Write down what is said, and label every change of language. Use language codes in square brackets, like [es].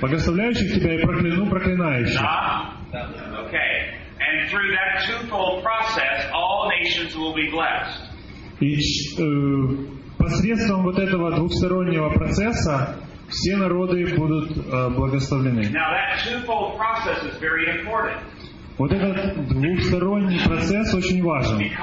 [ru] Благословляющих тебя и прокляну проклинающих. [en] Okay. And through that twofold process, all nations will be blessed. [ru] И посредством вот этого двухстороннего процесса все народы будут благословлены. [en] Now that twofold process is very important. [ru] Вот этот двухсторонний процесс очень важен.